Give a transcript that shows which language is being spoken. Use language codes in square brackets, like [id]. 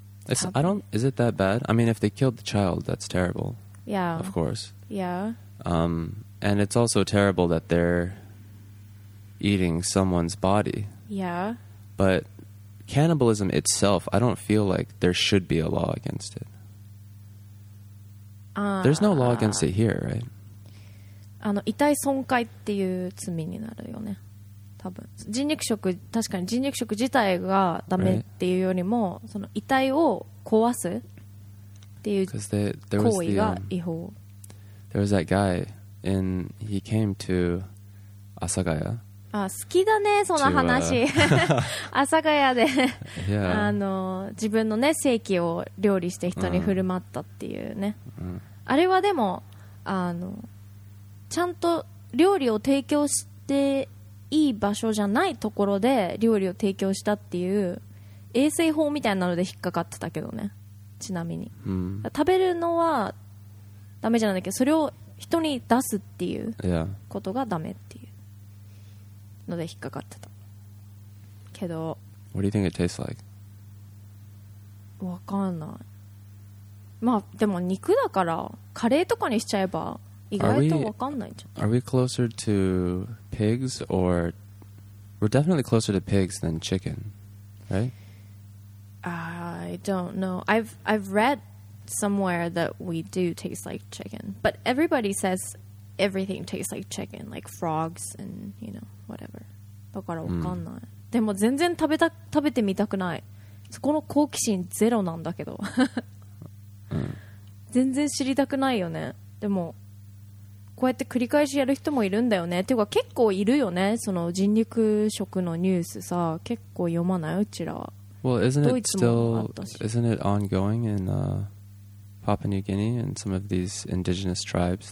[en] Is it that bad? I mean, if they killed the child, that's terrible. Yeah. Of course. Yeah. And it's also terrible that they're eating someone's body. Yeah. But cannibalism itself, I don't feel like there should be a law against it. There's no law against it here, right? [ja] あの、遺体損壊っていう罪になるよね。多分人肉食、確かに人肉食自体がダメっていうよりも、 [en] right. [ja] その遺体を壊すっていう行為が違法。 [en] Because there was that guy and he came to 阿佐ヶ谷。 [ja] 好きだねその話。阿佐ヶ谷で [en] yeah. [ja] あの自分のね性器を料理して人に振る舞ったっていうね。あれはでもあのちゃんと料理を提供していい場所じゃないところで料理を提供したっていう衛生法みたいなので引っかかってたけどね、ちなみに。食べるのはダメじゃないんだけど、それを人に出すっていうことがダメっていうので引っかかってたけど。 [en] What do you think it tastes like? [ja] わかんない。まあでも肉だからカレーとかにしちゃえば意外とわかんないじゃん。 [en] Are we closer to pigs or we're definitely closer to pigs than chicken, right? I don't know. I've read somewhere that we do taste like chicken, but everybody says everything tastes like chicken, like frogs and, you know, whatever. [ja] だからわかんない。でも全然食べてみたくない。そこの好奇心ゼロなんだけど。全然知りたくないよね。でも、こうやって繰り返しやる人もいるんだよね。ていうか結構いるよね。その人肉食のニュースさ、結構読まないうちらは。 [en] Well, isn't it still, isn't it ongoing in Papua New Guinea and some of these indigenous tribes?